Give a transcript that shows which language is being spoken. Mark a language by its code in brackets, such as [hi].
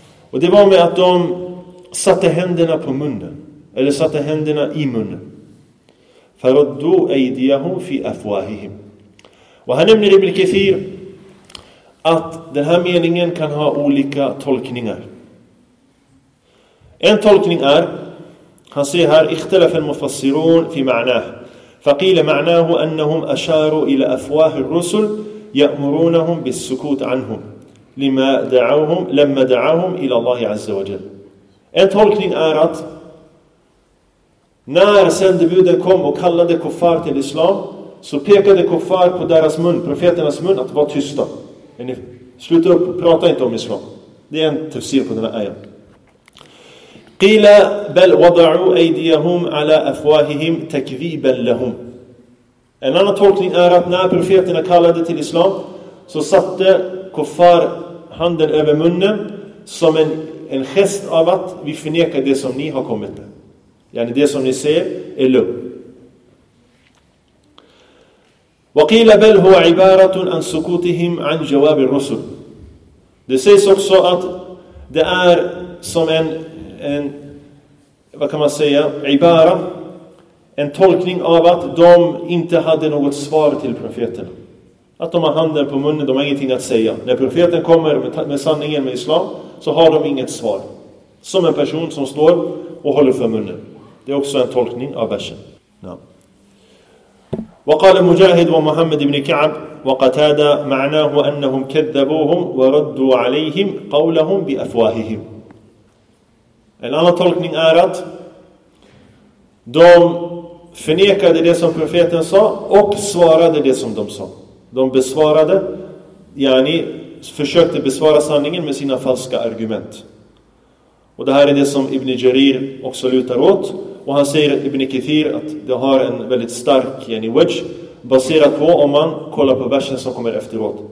[sv] Och det var med att de satte händerna på munnen. Eller satte händerna i munnen. [ar] Faraddu aydiyahum fi afwahihim. [sv] Och här nämner Ibn Kathir att den här meningen kan ha olika tolkningar. En tolkning är, han säger här, [ar] اختلف المفسرون في معناه فقيل معناه أنهم أشاروا إلى أفواه الرسل يأمرونهم بالسكوت عنهم لما دعوهم لما دعوهم إلى الله عز وجل. [sv] En tolkning är att när sändebuden kom och kallade kuffar till islam, så pekade kuffar på deras mun, profeternas mun, att vara tysta. Sluta upp och prata inte om islam. Det är en tafsir på den här ayan. [ar] قيل بل وضعوا ايديهم على افواههم تكذيبا لهم. [sv] En annan tolkning är att när profeterna kallade till islam, så satte kuffar handen över munnen som en gest av att vi förnekar det som ni har kommit med. Yani det som ni ser är lögn. [ar] وقيل بل هو عبارة عن سكوتهم عن جواب الرسل. [sv] Det sägs också att det är som en vad kan man säga, ibara, en tolkning av att de inte hade något svar till profeterna, att de har handen på munnen, de har ingenting att säga. När profeten kommer med sanningen, med islam, så har de inget svar, som en person som står och håller för munnen. Det är också en tolkning av versen. Ja. [ar] وقال مجاهد ومحمد بن كعب وقتادة معناه أنهم كذبوهم وردوا عليهم قولهم بأفواههم. [sv] En annan tolkning är att de förnekade det som profeten sa och svarade det som de sa. De besvarade, yani försökte besvara sanningen med sina falska argument. Och det här är det som Ibn Jarir också lutar åt. Och han säger, Ibn Kathir, att det har en väldigt stark yani wedge baserat på om man kollar på versen som kommer efteråt.